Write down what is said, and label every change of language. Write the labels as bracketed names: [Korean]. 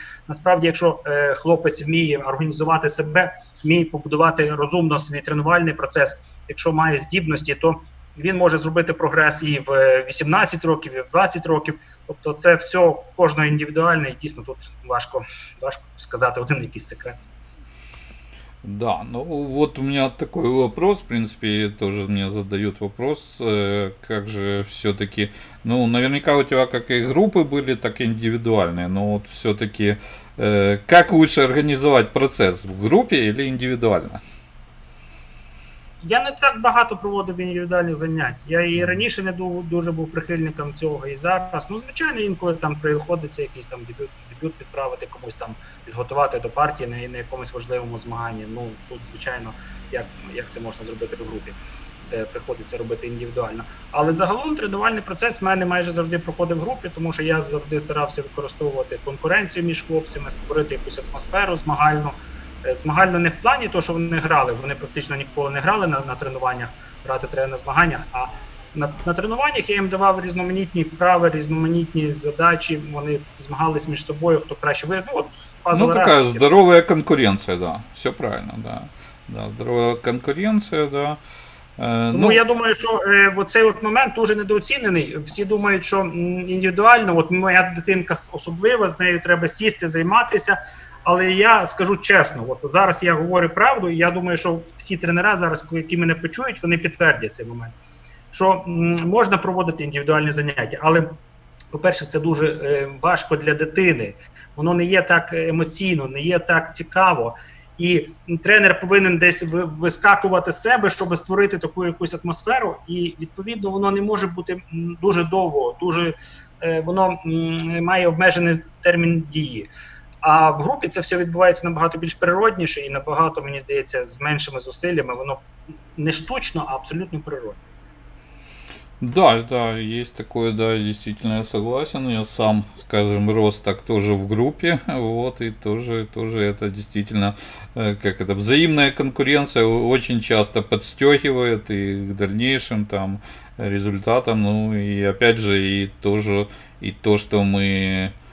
[Ukrainian] Насправді, якщо хлопець вміє організувати себе, вміє побудувати розумно свій тренувальний процес, якщо має здібності, то він може зробити прогрес і в 18 років, і в 20 років. Тобто це все кожно індивідуально, і дійсно тут важко сказати один якийсь секрет. [Russian] Да, ну вот у меня такой вопрос, в принципе, тоже мне задают вопрос, как же все-таки, ну наверняка у тебя как и группы были, так и индивидуальные, но вот все-таки, как лучше организовать процесс, в группе или индивидуально? [Ukrainian] Я не так багато проводив індивідуальних занять. Я і раніше не дуже був прихильником цього, і зараз. Ну, звичайно, інколи там приходиться якийсь там дебют відправити комусь там, підготувати до партії на якомусь важливому змаганні. Ну, тут, звичайно, як це можна зробити в групі? Це приходиться робити індивідуально. Але загалом тренувальний процес в мене майже завжди проходив в групі, тому що я завжди старався використовувати конкуренцію між хлопцями, створити якусь атмосферу змагальну. Змагально не в плані того, що вони грали, вони практично ніколи не грали на тренуваннях, брати тренера на змаганнях, а на тренуваннях я їм давав різноманітні вправи, різноманітні задачі, вони змагались між собою, хто краще ви, ну, от Ну, пазл [Russian] такая [Ukrainian] решти. [Russian] здоровая конкуренция, да. Все правильно, да. Да, здоровая конкуренция, да. [Ukrainian] Тому я думаю, що оцей от момент дуже недооцінений. Всі думають, що індивідуально, от моя дитинка особлива, з нею треба сісти, займатися. Але я скажу чесно, от зараз я говорю правду, і я думаю, що всі тренера зараз, які мене почують, вони підтвердять цей момент, що можна проводити індивідуальні заняття, але, по-перше, це дуже важко для дитини. Воно не є так емоційно, не є так цікаво. І тренер повинен десь вискакувати з себе, щоб створити таку якусь атмосферу. І відповідно воно не може бути дуже довго, дуже воно має обмежений термін дії. А в групі це все відбувається набагато більш природніше і набагато, мені здається, з меншими зусиллями. Воно не штучно, а абсолютно природне. [Russian] Да, да, есть такое, да, действительно, я согласен, я сам, скажем, рос так тоже в группе, вот, и тоже это действительно, как это, взаимная конкуренция очень часто подстегивает и к дальнейшим там результатам, ну и опять же, и тоже, и то, что мы